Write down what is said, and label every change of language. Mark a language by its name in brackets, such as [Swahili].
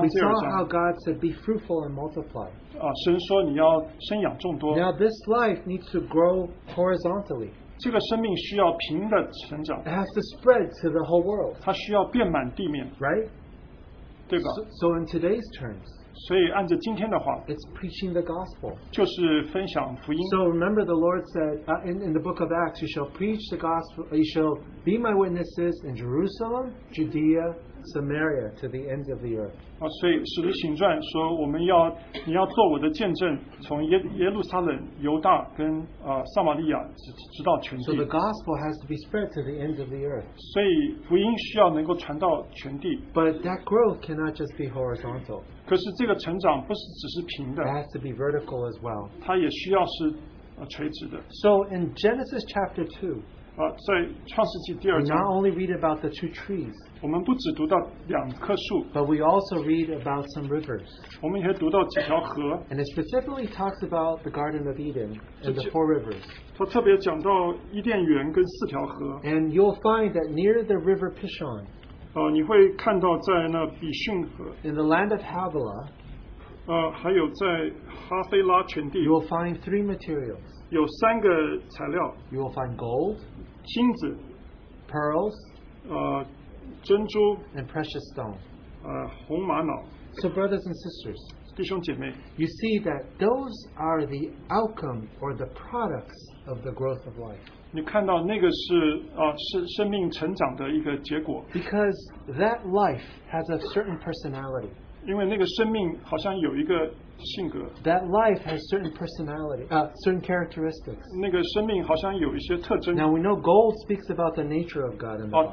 [English] we saw how God said, be fruitful and multiply. [Chinese] 神说你要生养众多。 [English] Now this life needs to grow horizontally. [Chinese] 这个生命需要平的成长。 [English] It has to spread to the whole world. [Chinese] 它需要遍满地面。 [English] Right? [Chinese] 对吧? [English] So in today's terms, [Chinese] 所以按着今天的话, [English] it's preaching the gospel. [Chinese] 就是分享福音。 [English] So remember the Lord said in the book of Acts, you shall preach the gospel, you shall be my witnesses in Jerusalem, Judea, Samaria to the ends of the earth. [Chinese] 啊，所以使徒行传说我们要你要做我的见证，从耶路撒冷、犹大跟撒玛利亚直到全地。 [English] So the gospel has to be spread to the ends of the earth. [Chinese] 所以福音需要能够传到全地。 [English] But that growth cannot just be horizontal. [Chinese] 可是这个成长不是只是平的。 [English] It has to be vertical as well. [Chinese] 它也需要是垂直的。 [English] So in Genesis chapter 2. Not only read about the two trees, [Chinese] 我们不只读到两棵树, [English] but we also read about some rivers. [Chinese] 我们也读到几条河, [English] and it specifically talks about the Garden of Eden and the four rivers. [Chinese] 它特别讲到伊甸园跟四条河, [English] and you'll find that near the river Pishon, [Chinese] 你会看到在那比逊河, [English] in the land of Havilah, [Chinese] 还有在哈菲拉全地, [English] you'll find three materials. [Chinese] 有三个材料, [English] you will find gold. [Chinese] 金子, [English] pearls, [Chinese] 珍珠, [English] and precious stone, [Chinese] 红玛瑙. [English] So brothers and sisters, [Chinese] 弟兄姐妹, [English] you see that those are the outcome or the products of the growth of life. [Chinese] 你看到那个是, 是生命成长的一个结果。 [English] Because that life has a certain personality. [Chinese] 因为那个生命好像有一个性格。 [English] That life has certain personality, certain characteristics. [Chinese] 那个生命好像有一些特征。 [English] Now we know gold speaks about the nature of God in the Bible.